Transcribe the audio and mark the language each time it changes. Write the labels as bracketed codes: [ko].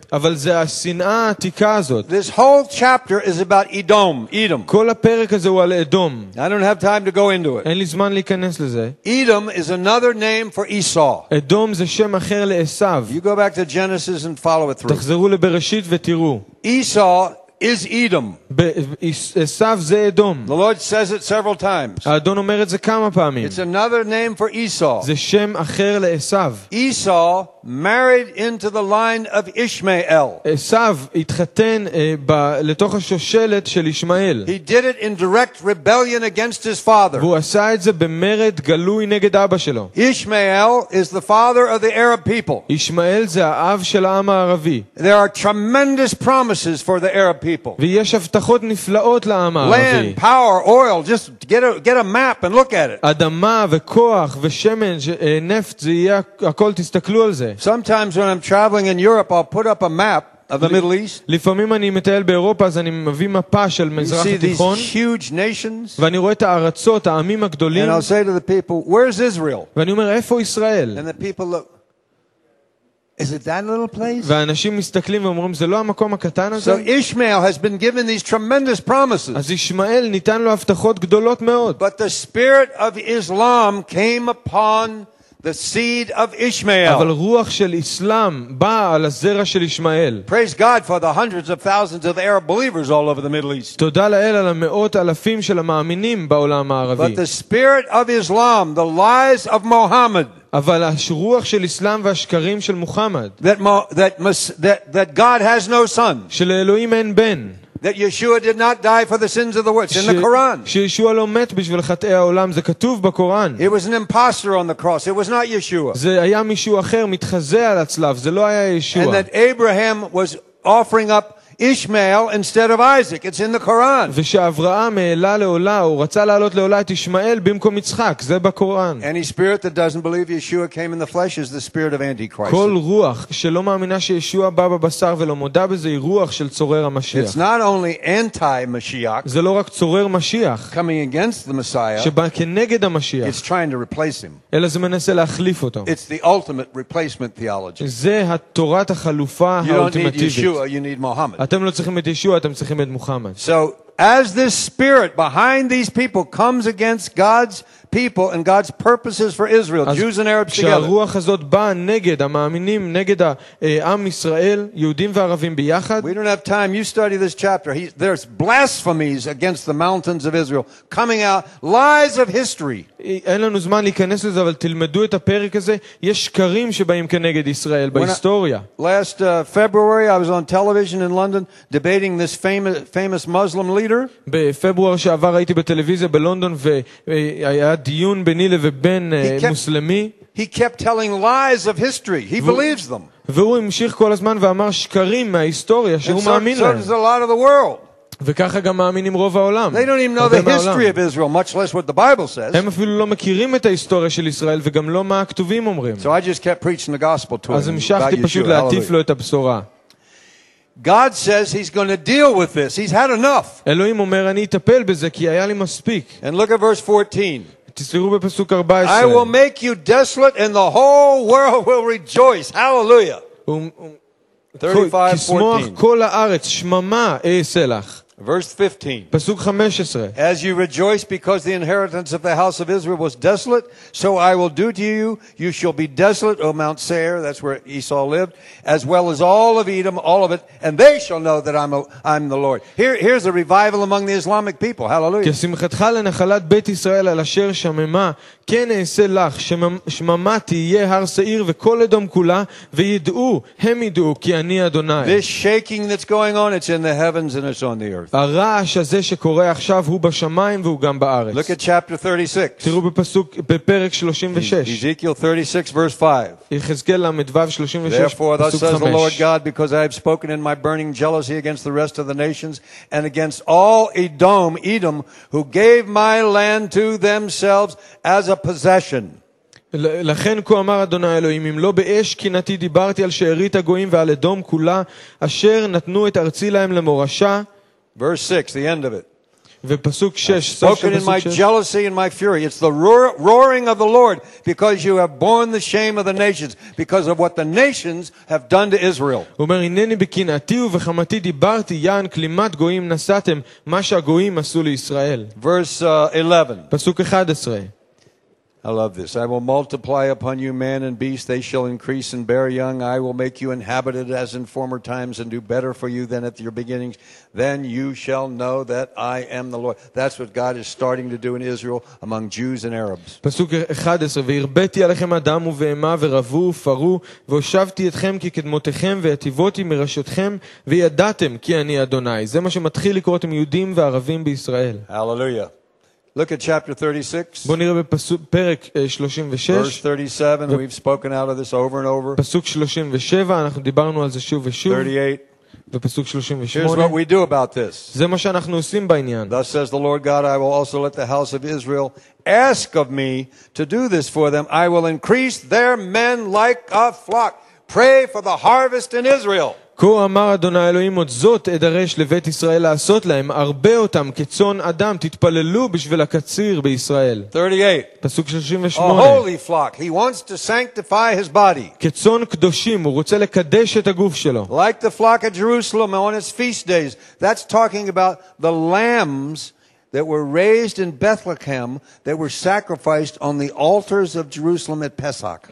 [he] אבל זה השנאה העתיקה הזאת. [en] This whole chapter is about Edom. Edom. [he] כל הפרק הזה הוא על אדום. [en] I don't have time to go into it. [he] אין לי זמן להיכנס לזה. [en] Edom is another name for Esau. [he] אדום זה שם אחר לעשיו. [en] You go back to Genesis and follow it through. [he] תחזרו לבראשית ותראו. [en] Esau is Edom. [he] עשיו זה אדום. [en] The Lord says it several times. [he] האדון אומר את זה כמה פעמים. [en] It's another name for Esau. [he] זה שם אחר לעשיו. [en] Esau married into the line of Ishmael. [he] עשיו התחתן לתוך השושלת של ישמעאל. [en] He did it in direct rebellion against his father. [he] הוא עשה את זה במרד גלוי נגד אבא שלו. [en] Ishmael is the father of the Arab people. [he] ישמעאל זה האב של העם הערבי. [en] There are tremendous promises for the Arab people. [he] ויש הבטחות נפלאות לעם הערבי. [en] Land, power, oil, just get a map and look at it. [he] אדמה וכוח ושמן נפט, זה יהיה הכל, תסתכלו על זה. [en] Sometimes when I'm traveling in Europe, I'll put up a map of the Middle East. [he] לפעמים אני מטייל באירופה, אז אני מביא מפה של מזרח התיכון. [en] These huge nations. [he] ואני רואה את הארצות, העמים הגדולים. [en] And I'll say to the people, where's Israel? [he] ואני אומר, איפה ישראל? [en] And the people look, is it that little place? [he] ואנשים מסתכלים ואומרים, זה לא המקום הקטן הזה? [en] So Ishmael has been given these tremendous promises. [he] אז ישמעאל ניתן לו הבטחות גדולות מאוד. [en] But the spirit of Islam came upon the seed of Ishmael. [he] אבל רוח של אסלאם באה על הזרע של ישמעאל. [en] Praise God for the hundreds of thousands of Arab believers all over the Middle East. [he] תודה לאל על המאות אלפים של המאמינים בעולם הערבי. [en] But the spirit of Islam, the lies of Muhammad. [he] אבל הרוח של אסלאם והשקרים של מוחמד. [en] That God has no son. [he] שלאלוהים אין בן. [en] That Yeshua did not die for the sins of the world. It's in the Quran. [he] שישועה לא מת בשביל חטאי העולם, זה כתוב בקוראן. [en] It was an imposter on the cross. It was not Yeshua. [he] זה היה מישהו אחר מתחזה על הצלב, זה לא היה ישוע. [en] And that Abraham was offering up Ishmael instead of Isaac. It's in the Quran. [he] ושאברהם העלה לעולה, הוא רצה להעלות לעולה את ישמעאל במקום יצחק, זה בקוראן. [en] Any spirit that doesn't believe Yeshua came in the flesh is the spirit of Antichrist. [he] כל רוח שלא מאמינה שישוע בא בבשר ולא מודה בזה, היא רוח של צורר המשיח. [en] It's not only anti-Mashiach. [he] זה לא רק צורר משיח. [en] Coming against the Messiah. [he] שבא כנגד המשיח. [en] It's trying to replace him. [he] אלא זה מנסה להחליף אותו. [en] It's the ultimate replacement theology. [he] זה התורת החלופה האולטימטיבית. [en] You don't need Yeshua, you need Muhammad. [he] אתם לא צריכים את ישוע, אתם צריכים את מוחמד. [en] So as this spirit behind these people comes against God's people and God's purposes for Israel, Jews and Arabs together. [he] כשהרוח הזאת באה נגד המאמינים, נגד העם ישראל, יהודים וערבים ביחד. [en] We don't have time. You study this chapter. There's blasphemies against the mountains of Israel coming out, lies of history. [he] אין לנו זמן להיכנס לזה, אבל תלמדו את הפרק הזה. יש שקרים שבאים כנגד ישראל בהיסטוריה. [en] Last February I was on television in London debating this famous Muslim leader. [he] בפברואר שעבר הייתי בטלוויזיה בלונדון והיה דיון ביני לבין מוסלמי. [en] He kept telling lies of history. He believes them. [he] והוא המשיך כל הזמן ואמר שקרים מההיסטוריה שהוא מאמין להם. [en] So is a lot of the world. [he] וככה גם מאמינים רוב העולם. [en] They don't even know the history of Israel, much less what the Bible says. [he] הם אפילו לא מכירים את ההיסטוריה של ישראל וגם לא מה הכתובים אומרים. [en] So I just kept preaching the gospel to him. [he] אז המשכתי פשוט להטיף לו את הבשורה. [en] God says he's going to deal with this. He's had enough. [he] אלוהים אומר, אני אטפל בזה כי היה לי מספיק. [en] And look at verse 14. [he] תסתכלו בפסוק 14. [en] I will make you desolate and the whole world will rejoice. Hallelujah. [he] 35:14. כל הארץ שממה אעשה לך. [en] Verse 15. [he] פסוק 15. [en] As you rejoice because the inheritance of the house of Israel was desolate, so I will do to you. You shall be desolate, O Mount Seir, that's where Esau lived, as well as all of Edom, all of it, and they shall know that I'm the Lord. Here's a revival among the Islamic people. Hallelujah. [he] כשמחתך לנחלת בית ישראל על אשר שממה, כן אעשה לך שממה תהיה הר סעיר וכל אדום כולה וידעו הם ידעו כי אני אדוני [en] This shaking that's going on it's in the heavens and it's on the earth [he] הרעש הזה שקורה עכשיו הוא בשמיים והוא גם בארץ [en] Look at chapter 36 [he] תראו בפסוק בפרק 36 [en] Ezekiel 36 verse 5 [he] יחזקאל למדבר 36 פסוק 5 [en] Therefore thus says the Lord God because I have spoken in my burning jealousy against the rest of the nations and against all Edom who gave my land to themselves as a possession. [he] לכן כה אמר אדוני אלוהים אם לא באש קינתי דיברתי על שארית הגויים ועל אדום כולה אשר נתנו את ארצי להם למורשה. [en] Verse 6, the end of it. [he] ופסוק 6, [en] spoken in my jealousy and my fury. It's the roaring of the Lord because you have borne the shame of the nations because of what the nations have done to Israel. [he] הוא אומר הנני בקנאתי ובחמתי דיברתי יען כלימת גויים נשאתם מה שהגויים עשו לישראל. [en] Verse 11. I love this. I will multiply upon you man and beast. They shall increase and bear young. I will make you inhabited as in former times and do better for you than at your beginnings. Then you shall know that I am the Lord. That's what God is starting to do in Israel among Jews and Arabs. [he] פסוק 11 וירבתי עליכם אדם ובהמה ורבו ופרו והושבתי אתכם כקדמותיכם ויטיבותי מראשותכם וידעתם כי אני אדוני. זה מה שמתחיל לקרות עם יהודים וערבים בישראל. [en] Hallelujah. Look at chapter 36. [he] בוא נראה בפסוק פרק 36. [en] Verse 37. We've spoken out of this over and over. [he] פסוק 37 אנחנו דיברנו על זה שוב ושוב. [en] 38. [he] ופסוק 38 [en] Here's what we do about this. [he] זה מה שאנחנו עושים בעניין. [en] Thus says the Lord God, I will also let the house of Israel ask of me to do this for them. I will increase their men like a flock. Pray for the harvest in Israel. [he] כה אמר אדוני אלוהים עוד זאת אדרש לבית ישראל לעשות להם הרבה אותם כצאן אדם תתפללו בשביל הקציר בישראל [en] 38 [he] פסוק 38 [en] A holy flock he wants to sanctify his body [he] כצאן קדושים הוא רוצה לקדש את הגוף שלו [en] Like the flock at Jerusalem on its feast days that's talking about the lambs that were raised in Bethlehem that were sacrificed on the altars of Jerusalem at Pesach.